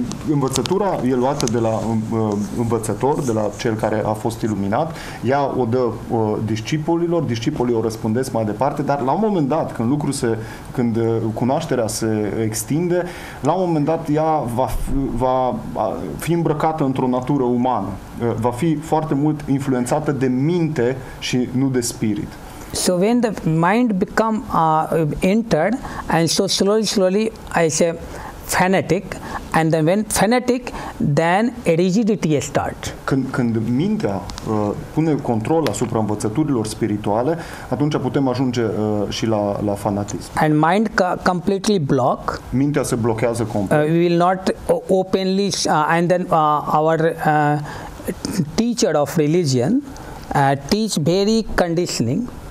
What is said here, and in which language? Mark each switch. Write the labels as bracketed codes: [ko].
[ro] Învățătura e luată de la învățător, de la cel care a fost iluminat, ea o dă discipolilor, discipolii o răspundesc mai departe, dar la un moment dat, când cunoașterea se extinde, la un moment dat ea va fi îmbrăcată într-o natură umană, va fi foarte mult influențată de minte și nu de spirit. [en] So when the mind become entered and so slowly I say fanatic, and then when fanatic, then a rigidity starts. [ro] Când mintea pune control asupra învățăturilor spirituale, atunci putem ajunge și la fanatism. [en] And mind completely block. [ro] Mintea se blochează complet. [en] We will not openly and then our teacher of religion teach very conditioning.